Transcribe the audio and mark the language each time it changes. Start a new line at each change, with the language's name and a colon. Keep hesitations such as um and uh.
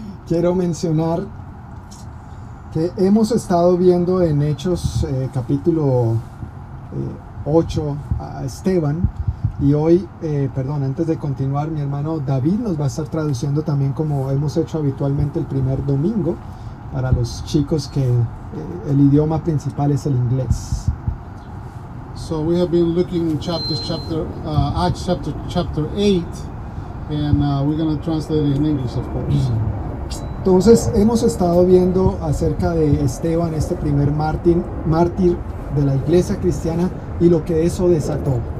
Spanish: quiero mencionar que hemos estado viendo en Hechos eh, capítulo 8 eh, a Esteban. Y hoy, eh, perdón, antes de continuar, mi hermano David nos va a estar traduciendo también como hemos hecho habitualmente el primer domingo para los chicos que el idioma principal es el inglés.
English: So we have been looking in chapters, chapter, uh, chapter, chapter, 8, and uh, we're going to translate it in English, of course. Mm -hmm.
Spanish: Entonces hemos estado viendo acerca de Esteban, este primer mártir, mártir, de la iglesia cristiana y lo que eso desató.